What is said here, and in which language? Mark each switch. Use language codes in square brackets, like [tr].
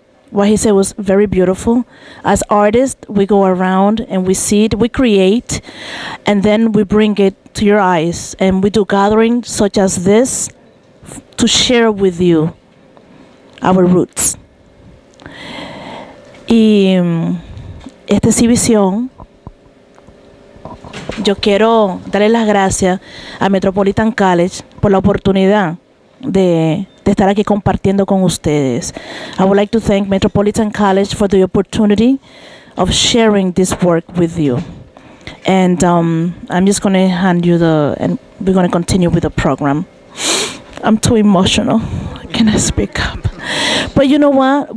[en] What he said was very beautiful. As artists, we go around and we see it, we create, and then we bring it to your eyes. And we do gatherings such as this to share with you our roots. [es] Y esta exhibición, yo quiero darle las gracias a Metropolitan College por la oportunidad de estar aquí compartiendo con ustedes. [en] I would like to thank Metropolitan College for the opportunity of sharing this work with you. And I'm just going to hand you and we're going to continue with the program. I'm too emotional. Can I speak up? But you know what?